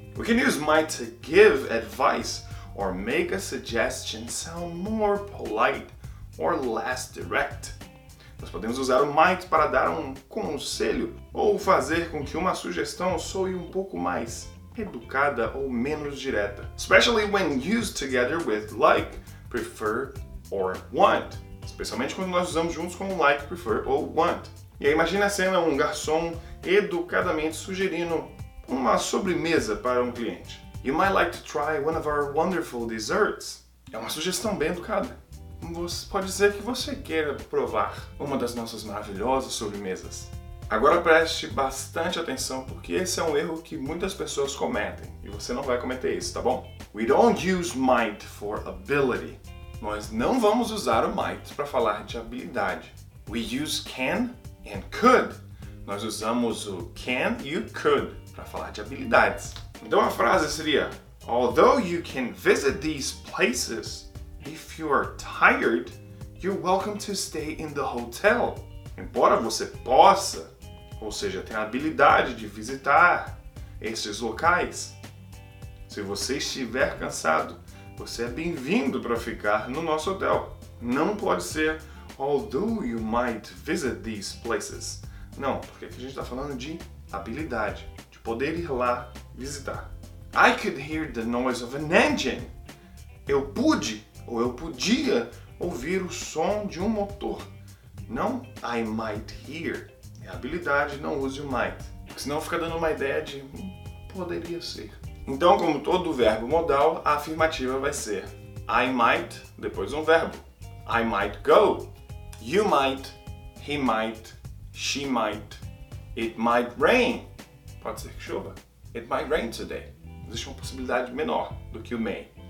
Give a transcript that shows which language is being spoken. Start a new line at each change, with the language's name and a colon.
English: We can use might to give advice or make a suggestion sound more polite or less direct.
Portuguese: Nós podemos usar o might para dar um conselho ou fazer com que uma sugestão soe um pouco mais educada ou menos direta.
English: Especially when used together with like, prefer or want.
Portuguese: Especialmente quando nós usamos juntos com like, prefer ou want. E aí imagina a cena, um garçom educadamente sugerindo uma sobremesa para um cliente.
English: You might like to try one of our wonderful desserts.
Portuguese: É uma sugestão bem educada. Você pode dizer que você queira provar uma das nossas maravilhosas sobremesas. Agora preste bastante atenção, porque esse é um erro que muitas pessoas cometem. E você não vai cometer isso, tá bom?
English: We don't use might for ability.
Portuguese: Nós não vamos usar o might para falar de habilidade.
English: We use can and could.
Portuguese: Nós usamos o can e o could para falar de habilidades. Então a frase seria,
English: although you can visit these places, if you are tired, you're welcome to stay in the hotel.
Portuguese: Embora você possa, ou seja, tenha a habilidade de visitar esses locais, se você estiver cansado, você é bem-vindo para ficar no nosso hotel. Não pode ser,
English: although you might visit these places.
Portuguese: Não, porque aqui a gente está falando de habilidade, de poder ir lá visitar.
English: I could hear the noise of an engine.
Portuguese: Eu pude. Ou eu podia ouvir o som de um motor. Não,
English: I might hear.
Portuguese: É habilidade, não use o might. Porque senão fica dando uma ideia de poderia ser. Então, como todo verbo modal, a afirmativa vai ser I might, depois um verbo.
English: I might go. You might. He might. She might. It might rain.
Portuguese: Pode ser que chova.
English: It might rain today.
Portuguese: Existe uma possibilidade menor do que o may.